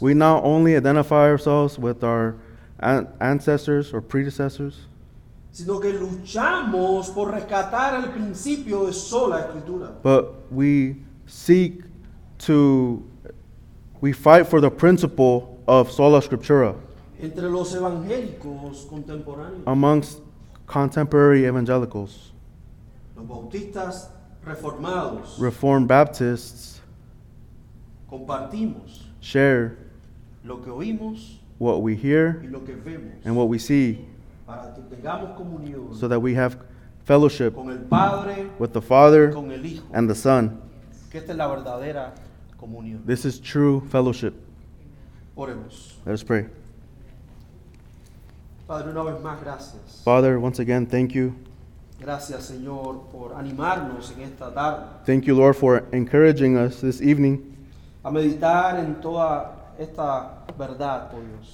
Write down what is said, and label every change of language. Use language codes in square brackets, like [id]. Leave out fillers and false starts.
[en] We not only identify ourselves with our ancestors or predecessors, [es] sino que luchamos por rescatar el principio de sola escritura. [en] But we seek to, we fight for the principle of sola scriptura. [es] Entre los evangélicos contemporáneos. [en] Amongst contemporary evangelicals. [es] Los bautistas reformados. [en] Reformed Baptists. [es] Compartimos. [en] Share. [es] Lo que oímos. [en] What we hear. [es] Y lo que vemos. [en] And what we see. [es] Para que tengamos comunión. [en] So that we have fellowship. [es] Con el Padre. [en] With the Father. [es] Con el Hijo. [en] And the Son. [es] Que esta es la verdadera comunión. [en] This is true fellowship. [es] Oremos. [en] Let us pray. [es] Padre, una vez más, gracias. [en] Father, once again, thank you. [es] Gracias, Señor, por animarnos en esta tarde. [en] Thank you, Lord, for encouraging us this evening. [es] A meditar en toda esta verdad, oh Dios.